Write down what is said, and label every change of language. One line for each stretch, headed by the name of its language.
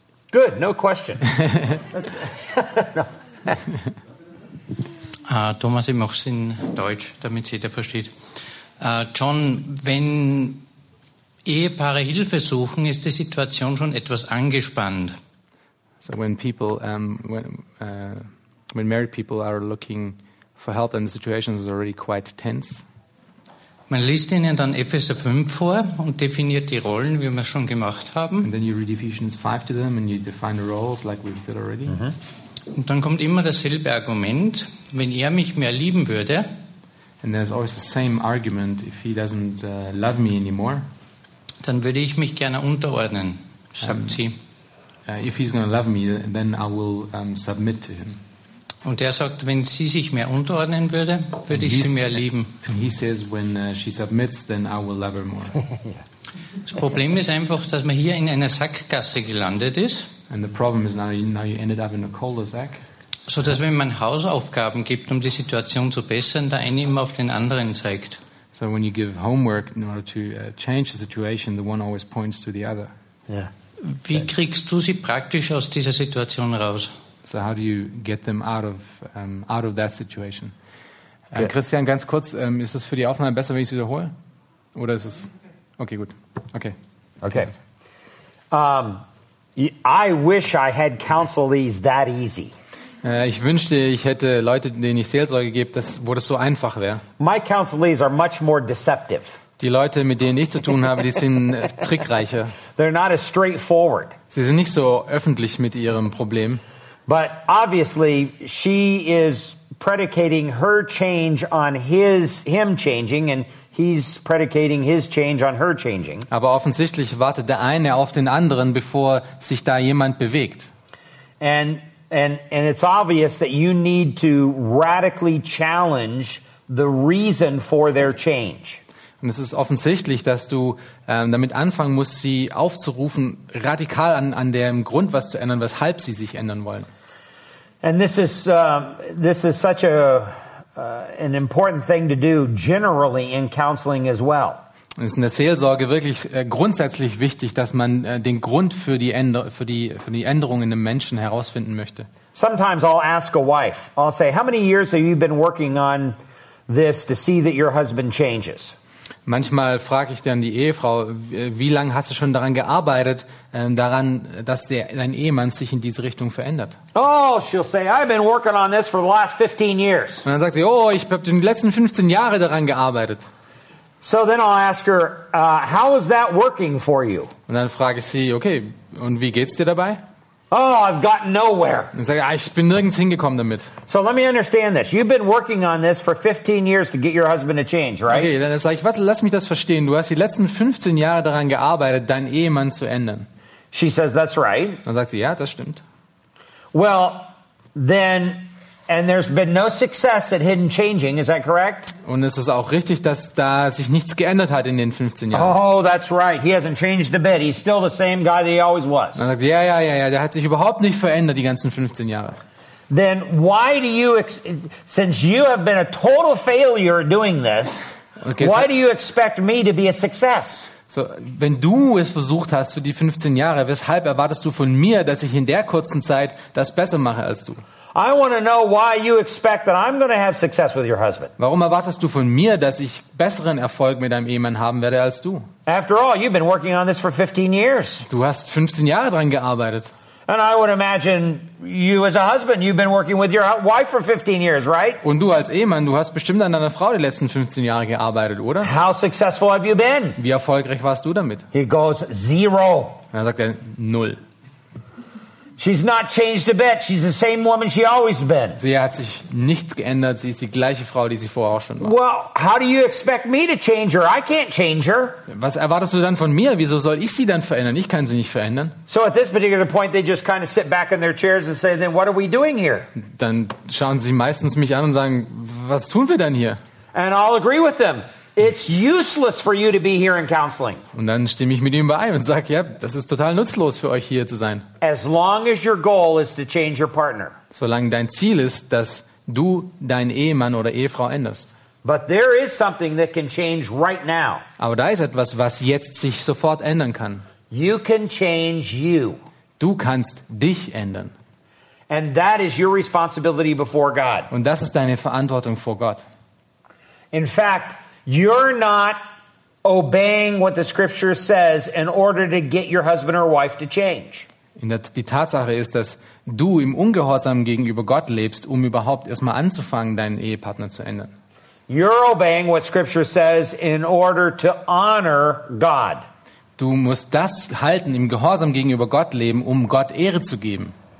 English: Good, no question.
German: Thomas, ich mache es in Deutsch, damit jeder versteht. John, wenn Ehepaare Hilfe suchen, ist die Situation schon etwas angespannt.
English: So when people, when married people are looking for help, then the situation is already quite tense.
German: Man liest ihnen dann Epheser 5 vor und definiert die Rollen, wie wir es schon gemacht haben.
English: And then you read Ephesians 5 to them and you define the roles like we've did already. Mm-hmm.
German: Und dann kommt immer dasselbe Argument, wenn er mich mehr lieben würde.
English: And there's always the same argument, if he doesn't love me anymore.
German: Dann würde ich mich gerne unterordnen, sagt sie.
English: If he's going to love me, then I will submit to him.
German: Und er sagt, wenn sie sich mehr unterordnen würde, würde ich sie mehr lieben.
English: And he says, when she submits, then I will love her more.
German: Das Problem ist einfach, dass man hier in einer Sackgasse gelandet ist.
English: And the problem is now you ended up in a cul-de-sac.
German: So dass wenn man Hausaufgaben gibt, um die Situation zu bessern, der eine immer auf den anderen zeigt.
English: So when you give homework in order to change the situation, the one always points to the other. Yeah.
German: Wie kriegst du sie praktisch aus dieser Situation raus?
English: So how do you get them out of that situation? Okay.
German: Christian, ganz kurz, ist es für die Aufnahme besser, wenn ich es wiederhole? Oder ist es okay? Gut. Okay.
English: Okay. I wish I had counselees that easy.
German: Ich wünschte, ich hätte Leute, denen ich Seelsorge gebe, das wo das so einfach wäre.
English: My counselees are much more deceptive.
German: Die Leute, mit denen ich zu tun habe, die sind trickreicher.
English: They're not as straightforward.
German: Sie sind nicht so öffentlich mit ihrem Problem.
English: But obviously she is predicating her change on him changing and he's predicating his change on her changing.
German: Aber offensichtlich wartet der eine auf den anderen, bevor sich da jemand bewegt.
English: And it's obvious that you need to radically challenge the reason for their change.
German: Und es ist offensichtlich, dass du damit anfangen musst, sie aufzurufen, radikal an dem Grund was zu ändern, weshalb sie sich ändern wollen.
English: And this is such an important thing to do generally in counseling as well.
German: Und es ist in der Seelsorge wirklich grundsätzlich wichtig, dass man den Grund für die Änderung in dem Menschen herausfinden möchte.
English: Sometimes I'll ask a wife. I'll say, how many years have you been working on this to see that your husband changes?
German: Manchmal frage ich dann die Ehefrau, wie lange hast du schon daran gearbeitet, daran, dass dein Ehemann sich in diese Richtung verändert?
English: Oh, she'll say, I've been working on this for the last 15 years.
German: Und dann sagt sie, oh, ich habe in den letzten 15 Jahren daran gearbeitet.
English: So then I'll ask her, how is that working for you?
German: Und dann frage ich sie, okay, und wie geht's dir dabei?
English: Oh, I've gotten nowhere.
German: Und sage, ich bin nirgends hingekommen damit.
English: So let me understand this. You've been working on this for 15 years to get your husband to change, right?
German: Okay, dann sage ich, lass mich das verstehen. Du hast die letzten 15 Jahre daran gearbeitet, deinen Ehemann zu ändern.
English: She says, that's right.
German: Dann sagt sie, ja, das stimmt.
English: Well, then, and there's been no success at hidden changing, is that correct?
German: Und es ist auch richtig, dass da sich nichts geändert hat in den 15 Jahren.
English: Oh, that's right. He hasn't changed a bit. He's still the same guy that he always was.
German: Dann sagt sie, ja, der hat sich überhaupt nicht verändert die ganzen 15 Jahre.
English: Then why do you, since you have been a total failure doing this, okay, why do you expect me to be a success?
German: So, wenn du es versucht hast für die 15 Jahre, weshalb erwartest du von mir, dass ich in der kurzen Zeit das besser mache als du?
English: I want to know why you expect that I'm going to have success with your husband.
German: Warum erwartest du von mir, dass ich besseren Erfolg mit deinem Ehemann haben werde als du?
English: After all, you've been working on this for 15 years.
German: Du hast 15 Jahre dran gearbeitet.
English: And I would imagine you as a husband, you've been working with your wife for 15 years, right?
German: Und du als Ehemann, du hast bestimmt an deiner Frau die letzten 15 Jahre gearbeitet, oder?
English: How successful have you been?
German: Wie erfolgreich warst du damit?
English: He goes, zero.
German: Dann sagt er, null.
English: She's not changed a bit. She's the same woman she always been.
German: Sie hat sich nichts geändert. Sie ist die gleiche Frau, die sie vorher auch schon war.
English: Well, how do you expect me to change her? I can't change her.
German: Was erwartest du dann von mir? Wieso soll ich sie dann verändern? Ich kann sie nicht verändern.
English: So at this particular point, they just kind of sit back in their chairs and say, "Then what are we doing here?"
German: Dann schauen sie meistens mich an und sagen, was tun wir denn hier?
English: And I'll agree with them. It's useless for you to be here in counseling.
German: Und dann stimme ich mit ihm überein und sage, ja, das ist total nutzlos für euch hier zu sein.
English: As long as your goal is to change your partner.
German: Solange dein Ziel ist, dass du deinen Ehemann oder Ehefrau änderst.
English: But there is something that can change right now.
German: Aber da ist etwas, was jetzt sich sofort ändern kann.
English: You can change you.
German: Du kannst dich ändern.
English: And that is your responsibility before God.
German: Und das ist deine Verantwortung vor Gott.
English: In fact, you're not obeying what the scripture says in order to get your husband or wife to change.
German: Die Tatsache ist, dass du im Ungehorsam gegenüber Gott lebst, um überhaupt erstmal anzufangen, deinen Ehepartner zu ändern.
English: You're obeying what scripture says in order to honor God.
German: Du musst das halten, im Gehorsam gegenüber Gott leben, um Gott Ehre zu geben.